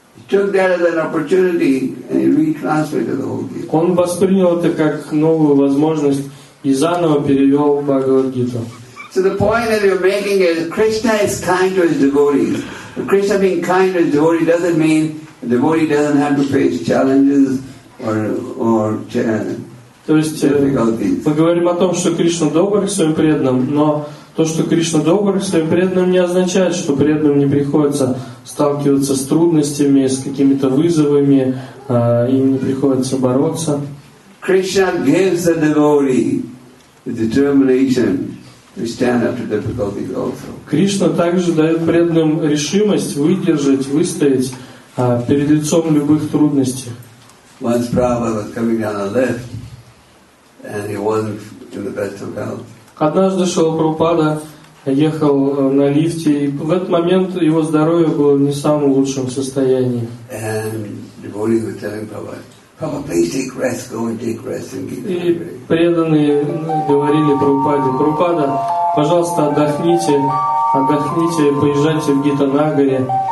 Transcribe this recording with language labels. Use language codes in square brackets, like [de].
[en] Took that as an opportunity and he retranslated the whole Gita. [ru] Он воспринял это как новую возможность и заново перевел Бхагавад-гиту. [en] So the point that you're making is Krishna is kind to his devotees. Krishna being kind to his devotee doesn't mean the devotee doesn't have to face challenges or difficulties. [ru] Мы говорим о том, что Кришна добр к своим преданным, но то, что Кришна добр к своим преданным, не означает, что преданным не приходится сталкиваться с трудностями, с какими-то вызовами, им не приходится бороться. [en] Krishna gives the devotee the determination to stand up to difficulties also. [ru] Кришна также дает преданным решимость выдержать, выстоять перед лицом любых трудностей. [en] Once Prabhupada was coming down a lift, and he wasn't in the best of health. [ru] Однажды Шрила Прабхупада ехал на лифте, и в этот момент его здоровье было не в самом лучшем состоянии. И преданные говорили Прабхупаде: «Прабхупада, пожалуйста, отдохните, отдохните, поезжайте в Гитанагаре».